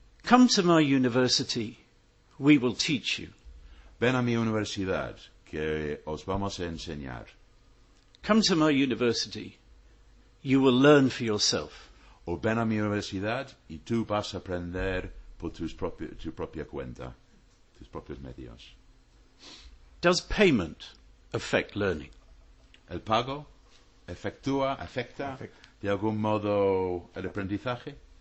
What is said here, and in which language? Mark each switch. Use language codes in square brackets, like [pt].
[en] Come to my university, we will teach you. [es] Ven a mi universidad, que os vamos a enseñar. [en] Come to my university, you will learn for yourself. [es] O ven a mi universidad y tú vas a aprender por tu propia cuenta, tus propios medios. [en] Does payment affect learning? [es] ¿El pago afecta de algún modo el aprendizaje?